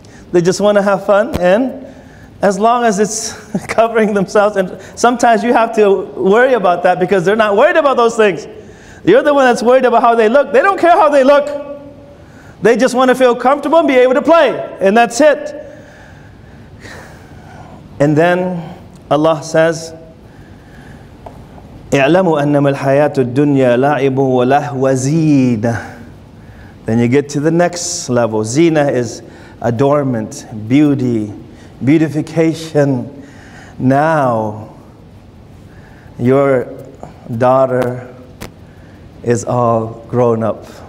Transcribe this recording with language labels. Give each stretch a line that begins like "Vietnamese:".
English: They just want to have fun, and as long as it's covering themselves, and sometimes you have to worry about that because they're not worried about those things. You're the one that's worried about how they look. They don't care how they look. They just want to feel comfortable and be able to play, and that's it. And then Allah says,
Arabic: اعلموا انما الحياة الدنيا لعب ولهو زينة.
English: Then you get to the next level. Zina is adornment, beauty, beautification. Now, your daughter is all grown up.